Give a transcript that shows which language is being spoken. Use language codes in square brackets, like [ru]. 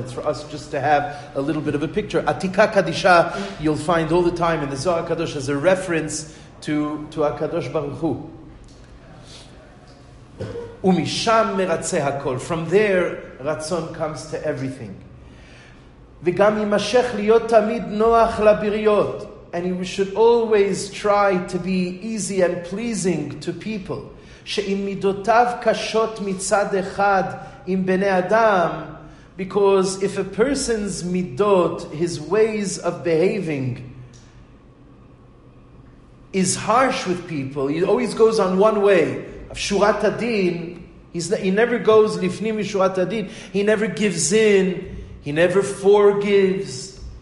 [en] It's for us just to have a little bit of a picture. Atika Kadisha, you'll find all the time in the Zohar HaKadosh as a reference to HaKadosh Baruch Hu. [he] ומשם מרצה הכל. [en] From there, רצון comes to everything. [he] וגם יימשך להיות תמיד נוח לבריות. [en] And we should always try to be easy and pleasing to people. [he] שאם מידותיו קשות מצד אחד עם בני אדם, [en] because if a person's מידות, his ways of behaving, is harsh with people, he always goes on one way, [he] שורת הדין, [en] he never goes [he] לפנים משורת הדין, [en] he never gives in, he never forgives.